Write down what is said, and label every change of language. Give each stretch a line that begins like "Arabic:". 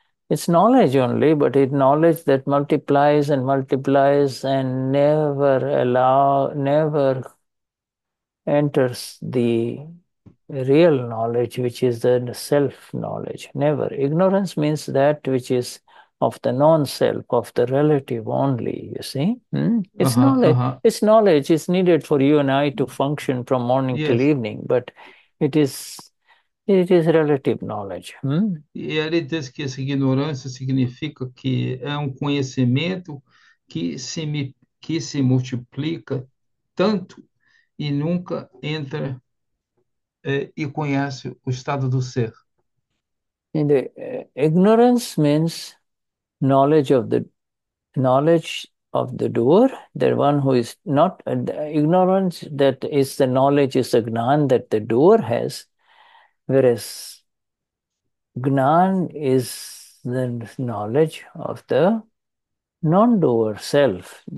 English: It's knowledge only, but it's knowledge that multiplies and multiplies and never enters the real knowledge, which is the self-knowledge. Never. Ignorance means that which is of the non-self, of the relative only, you see? It's knowledge. It's knowledge is needed for you and I to function from morning till Yes. evening, but it is relative knowledge.
Portuguese: E ele diz que essa ignorância significa que é um conhecimento que se multiplica tanto e nunca entra e conhece o estado do ser.
English: And the ignorance means knowledge of the doer, the one who is not ignorance, that is the knowledge is the gnan that the doer has, whereas gnan is the knowledge of the non-doer self.